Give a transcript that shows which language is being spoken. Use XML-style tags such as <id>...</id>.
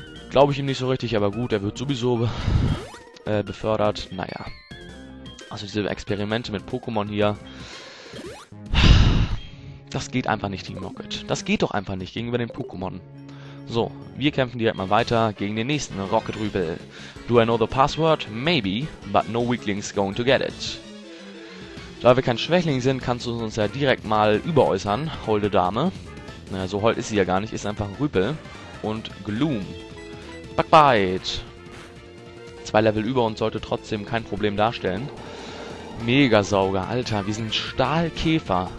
<de>Glaube ich ihm nicht so richtig, aber gut, er wird sowieso befördert. Naja. Also diese Experimente mit Pokémon hier. Das geht einfach nicht gegen Rocket. Das geht doch einfach nicht gegenüber den Pokémon. So, wir kämpfen direkt mal weiter gegen den nächsten Rocket-Rüpel.</de> <en>Do I know the password? Maybe, but no weakling's going to get it.</en> <de>Da wir kein Schwächling sind, kannst du uns ja direkt mal überäußern, holde Dame. Naja, so hold ist sie ja gar nicht, ist einfach ein Rüpel. Und Gloom. Bugbite. Zwei Level über und sollte trotzdem kein Problem darstellen. Megasauger, Alter, wir sind Stahlkäfer.</de>